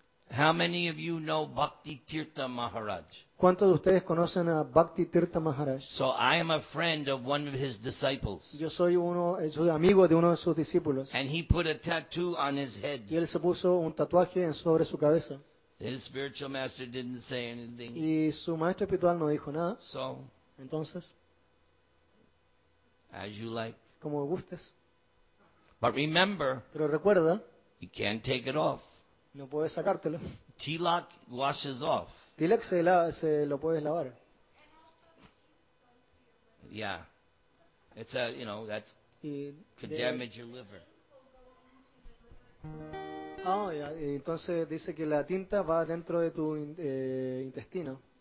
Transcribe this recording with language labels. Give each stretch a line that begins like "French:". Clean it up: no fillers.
English: How many of you know Bhakti Tirtha Maharaj?
Spanish: ¿Cuántos de ustedes conocen a Bhakti Tirtha Maharaj?
English: So, I am a friend of one of his disciples.
Spanish: Yo soy soy amigo de uno de sus discípulos.
English: And he put a tattoo on his head.
Spanish: Y él se puso un tatuaje sobre su cabeza.
English: His spiritual master didn't say anything.
Spanish: Y su maestro espiritual no dijo nada.
English: So,
Spanish: entonces,
English: as you like.
Spanish: Como gustes.
English: But remember,
Spanish: pero recuerda,
English: you can't take it off.
Spanish: No puedes sacártelo.
English: Tilak washes off.
Spanish: Tilak se lo puedes lavar.
English: Yeah. It's a, you know, that could damage your liver. Oh, yeah.
Spanish: Entonces dice que la tinta va dentro de tu intestino.